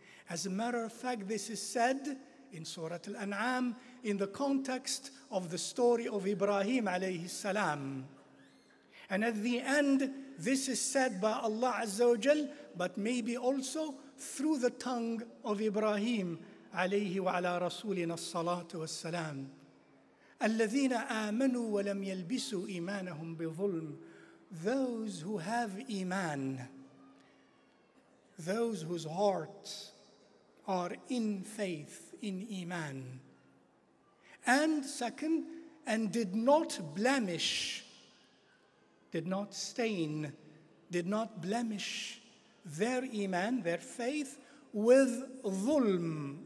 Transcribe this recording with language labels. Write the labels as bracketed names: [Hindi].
[English] As a matter of fact, this is said in Surah Al-An'am in the context of the story of Ibrahim alayhi salam. And at the end, this is said by Allah Azza wa Jal, but maybe also through the tongue of Ibrahim [Arabic] عليه وعلى رسولنا الصلاة والسلام. الذين آمنوا ولم يلبسوا إيمانهم بظلم. [English] Those who have iman, those whose hearts are in faith, in iman. And second, and did not blemish, did not stain, did not blemish their iman, their faith, with dhulm.